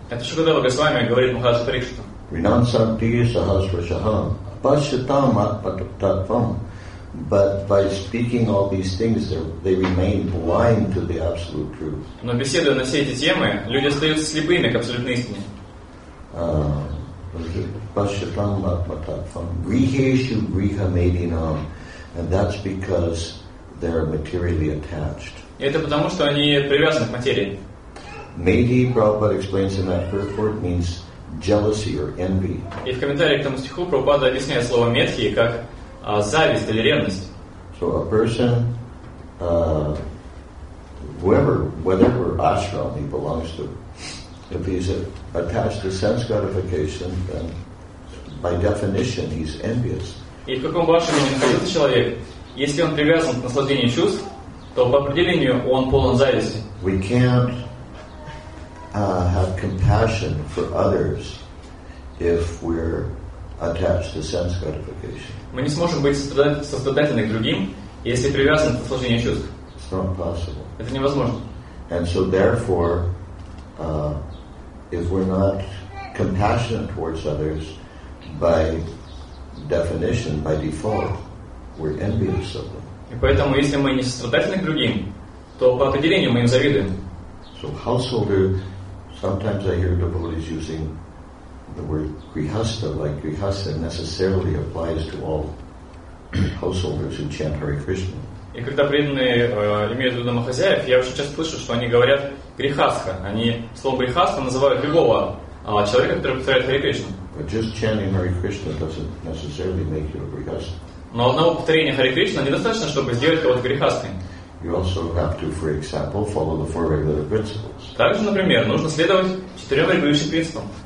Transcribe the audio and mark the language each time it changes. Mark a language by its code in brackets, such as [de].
[ru] Это Шукадева Госвами говорит Махарадж Парикшит. [sa] Ринансанти сахасрашахам апашьятам атпатапам. [en] But by speaking all these things, they remain blind to the absolute truth. [ru] Но беседуя на все эти темы, люди остаются слепыми к абсолютной истине. [sa] Апашьятам атпатапам. Грихешу грихамединам. [en] And that's because they're materially attached. [ru] И это потому, что они привязаны к материи. [en] Maybe Prabhupada explains in that first word means jealousy or envy. [ru] И в комментарии к этому стиху Прабхупада объясняет слово метхи как зависть или ревность. [en] So a person, whoever, whatever ashram he belongs to. If he's attached to sense gratification, then by definition, he's envious. [ru] И в каком вашем мнении человек, если он привязан к наслаждению чувств, то по определению он полон зависти. [en] We can't have compassion for others if we're attached to sense gratification. [ru] Мы не сможем быть сострадательны к другим, если привязаны к наслаждению чувств. [en] It's not possible. [ru] Это невозможно. [en] And so therefore, if we're not compassionate towards others, by definition, by default, we're envious of them. [ru] И поэтому, если мы не сострадательны к другим, то по определению мы им завидуем. [en] So householder, sometimes I hear devotees using the word grihastha, like grihastha necessarily applies to all householders who chant Hare Krishna. [ru] И когда преданные имеют в виду домохозяев, я очень часто слышу, что они говорят грихастха. Они слово грихастха называют любого человека, который повторяет Hare Krishna. [en] But just chanting Hare Krishna doesn't necessarily make you a grihastha. [ru] Но одного повторения Hare Krishna недостаточно, чтобы сделать кого-то грихастхой. [en] You also have to, for example, follow the four regular principles. [ru] Также, например, нужно следовать четырем регулирующим принципам.